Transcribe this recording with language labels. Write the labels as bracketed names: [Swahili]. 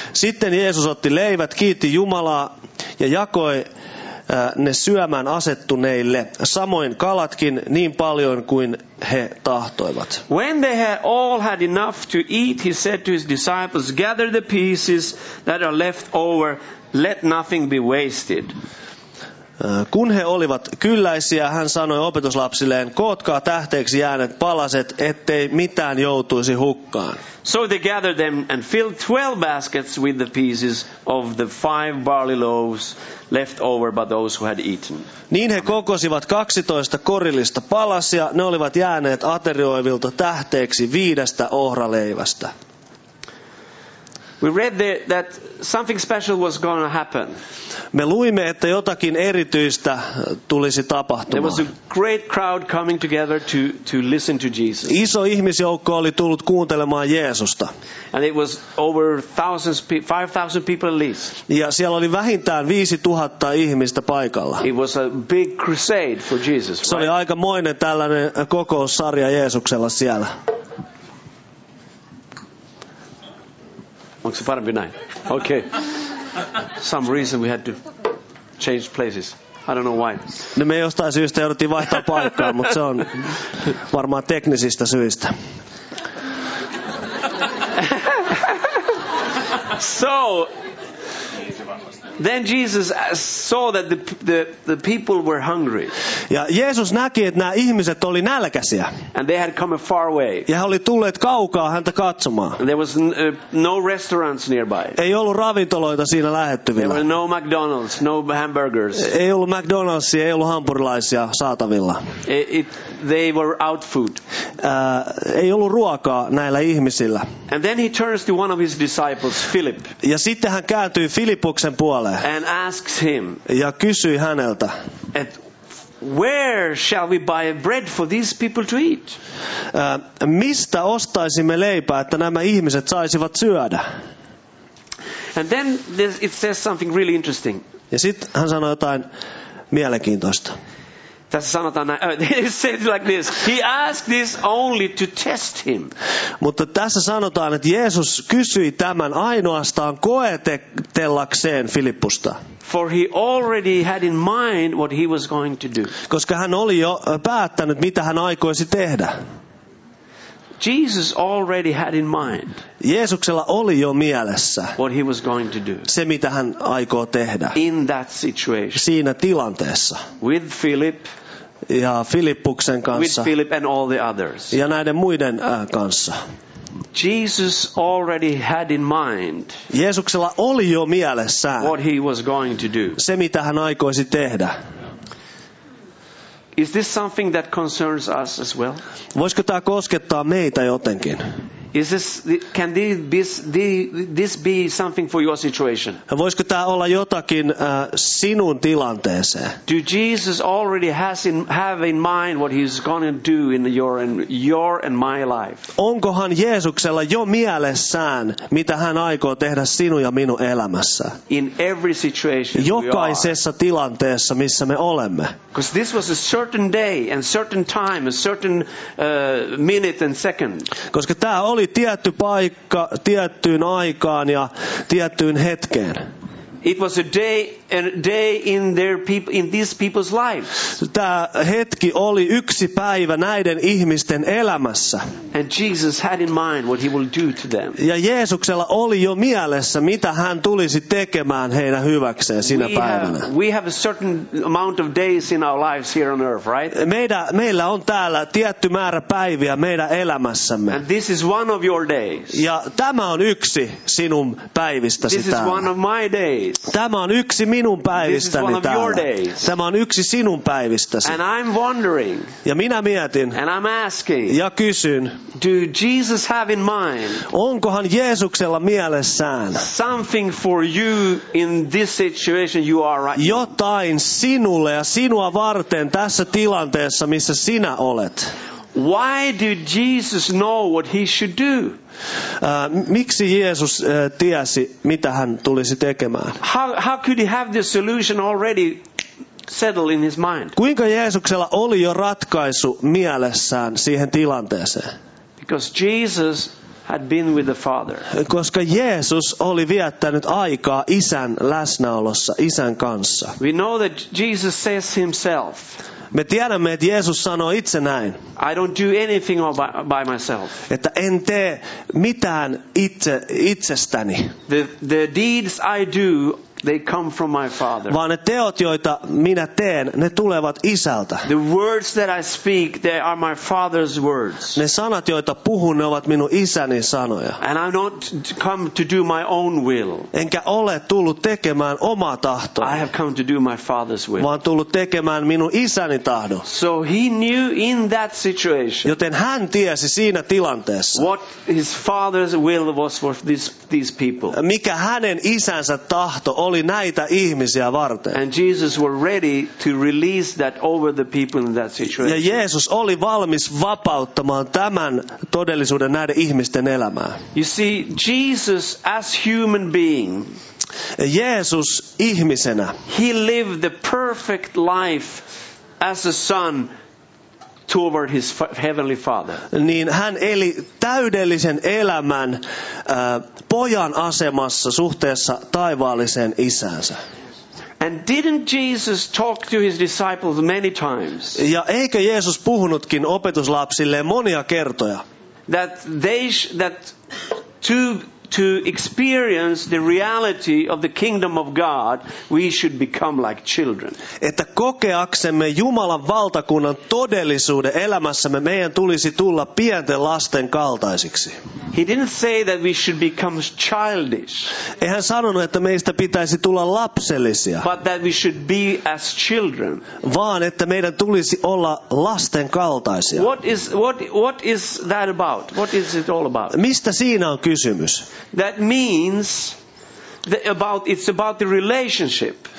[Finnish] Sitten Jeesus otti leivät, kiitti Jumalaa ja jakoi ne syömään asettuneille, samoin kalatkin niin paljon kuin he tahtoivat. [English] When they had all had enough to eat, he said to his disciples, gather the pieces that are left over, let nothing be wasted. [Finnish] Kun he olivat kylläisiä, hän sanoi opetuslapsilleen, kootkaa tähteeksi jääneet palaset, ettei mitään joutuisi hukkaan. [English] So they gathered them and filled 12 baskets with the pieces of the 5 barley loaves left over by those who had eaten. [Finnish] Niin he kokosivat 12 korillista palasia, ne olivat jääneet aterioivilta tähteeksi 5 ohraleivästä. [English] We read that something special was going to happen. [Finnish] Me luimme, että jotakin erityistä tulisi tapahtumaan. [English] There was a great crowd coming together to listen to Jesus. [Finnish] Iso ihmisjoukko oli tullut kuuntelemaan Jeesusta. [English] And it was over 5,000 people at least. [Finnish] Ja siellä oli vähintään 5,000 ihmistä paikalla. [English] It was a big crusade for Jesus. [Finnish] Se oli aikamoinen tällainen kokoussarja Jeesuksella siellä. Onko se parempi näin? [English] Okay. Some reason we had to change places. I don't know why. [Finnish] No, me jostain syystä jouduttiin vaihtaa paikkaa, mutta se on varmaan teknisistä syistä. [English] So, Then Jesus saw that the people were hungry. [Finnish] Ja Jeesus näki, että nämä ihmiset oli nälkäisiä. [English] And they had come a far way. [Finnish] Ja he oli tulleet kaukaa häntä katsomaan. [English] And there was no restaurants nearby. [Finnish] Ei ollut ravintoloita siinä lähettyvillä. [English] There were no McDonald's, no hamburgers. [Finnish] Ei ollut McDonald'sia, ei ollut hampurilaisia saatavilla. [English] They were out food. [Finnish] Ei ollut ruokaa näillä ihmisillä. [English] And then he turns to one of his disciples, Philip. [Finnish] Ja sitten hän kääntyy Filippuksen puoleen. [English] And asks him. [Finnish] Ja kysyy häneltä. [English] And where shall we buy bread for these people to eat? [Finnish] Mistä ostaisimme leipää, että nämä ihmiset saisivat syödä? [English] And then it says something really interesting. [Finnish] Ja sitten hän sanoi jotain mielenkiintoista. Tässä sanotaan näin. [English] He said like this. He asked this only to test him. [Finnish] Mutta tässä sanotaan, että Jeesus kysyi tämän ainoastaan koetellakseen Filippusta. [English] For he already had in mind what he was going to do. [Finnish] Koska hän oli jo päättänyt, mitä hän aikoisi tehdä. [English] Jesus already had in mind. [Finnish] Jeesuksella oli jo mielessä. [English] What he was going to do. [Finnish] Se mitä hän aikoo tehdä. [English] In that situation. [Finnish] Siinä tilanteessa. [English] With Philip. [Finnish] Ja Filippuksen kanssa. [English] With Philip and all the others. [Finnish] Ja näiden muiden kanssa. [English] Jesus already had in mind. [Finnish] Jeesuksella oli jo mielessä. [English] What he was going to do. [Finnish] Se mitä hän aikoisi tehdä. [English] Is this something that concerns us as well? [Finnish] Voisiko tämä koskettaa meitä jotenkin? [English] Is this can this be something for your situation? [Finnish] Voisiko tämä olla jotakin sinun tilanteeseen? [English] Do Jesus already have in mind what he's going to do in your and my life? [Finnish] Onkohan Jeesuksella jo mielessään mitä hän aikoo tehdä sinun ja minun elämässä? [English] In every situation. [Finnish] Jokaisessa tilanteessa missä me olemme. [English] Because this was a certain day and certain time, a certain minute and second. [Finnish] Koska tämä oli tietty paikka tiettyyn aikaan ja tiettyyn hetkeen. [English] It was a day in their people, in these people's lives. [Finnish] Tämä hetki oli yksi päivä näiden ihmisten elämässä. [English] And Jesus had in mind what he will do to them. [Finnish] Ja Jeesuksella oli jo mielessä mitä hän tulisi tekemään heidän hyväkseen sinä päivänä. [English] We have a certain amount of days in our lives here on earth, right? [Finnish] Meillä on täällä tietty määrä päiviä meidän elämässämme. [English] And this is one of your days. [Finnish] Ja tämä on yksi sinun päivistäsi täällä. [English] This is one of my days. [Finnish] Tämä on yksi minun päivistäni täällä. Tämä on yksi sinun päivistäsi. [English] And I'm wondering. [Finnish] Ja minä mietin. [English] And I'm asking. [Finnish] Ja kysyn. [English] Do Jesus have in mind? [Finnish] Onkohan Jeesuksella mielessään? [English] Something for you in this situation you are right. [Finnish] Jotain sinulle ja sinua varten tässä tilanteessa missä sinä olet. [English] Why did Jesus know what he should do? [Finnish] Miksi Jeesus tiesi mitä hän tulisi tekemään? [English] How could he have the solution already settled in his mind? [Finnish] Kuinka Jeesuksella oli jo ratkaisu mielessään siihen tilanteeseen? [English] Because Jesus had been with the Father. [Finnish] Koska Jeesus oli viettänyt aikaa isän läsnäolossa, isän kanssa. [English] We know that Jesus says himself. [Finnish] Me tiedämme, että Jeesus sanoo itse näin. [English] I don't do anything all by myself. [Finnish] Että en tee mitään itsestäni. [English] The deeds I do, they come from my Father. [Finnish] Vaan ne teot, joita minä teen, ne tulevat isältä. [English] The words that I speak, they are my Father's words. [Finnish] Ne sanat, joita puhun, ne ovat minun isäni sanoja. [English] And I'm not come to do my own will. [Finnish] Enkä ole tullut tekemään omaa tahtoa. [English] I have come to do my Father's will. [Finnish] Vaan tullut tekemään minun isäni tahdon. [English] So he knew in that situation. [Finnish] Joten hän tiesi siinä tilanteessa. [English] What his Father's will was for these people. [Finnish] Mikä hänen isänsä tahto oli näitä ihmisiä varten. [English] And Jesus was ready to release that over the people in that situation. [Finnish] Ja Jeesus oli valmis vapauttamaan tämän todellisuuden näiden ihmisten elämää. [English] You see, Jesus as human being. [Finnish] Jeesus ihmisenä. [English] He lived the perfect life as a son toward his heavenly Father. [Finnish] Niin hän eli täydellisen elämän pojan asemassa suhteessa taivaalliseen isäänsä. [English] And didn't Jesus talk to his disciples many times? [Finnish] Ja eikö Jeesus puhunutkin opetuslapsille monia kertoja? [English] That two to experience the reality of the kingdom of God, we should become like children. [Finnish] Että kokeaksemme Jumalan valtakunnan todellisuuden elämässämme, meidän tulisi tulla pienten lasten kaltaisiksi. [English] He didn't say that we should become childish. [Finnish] Ei hän sanonut, että meistä pitäisi tulla lapsellisia. [English] But that we should be as children. [Finnish] Vaan että meidän tulisi olla lasten kaltaisia. [English] What is that about? What is it all about? [Finnish] Mistä siinä on kysymys? [English] That means that it's about the relationship.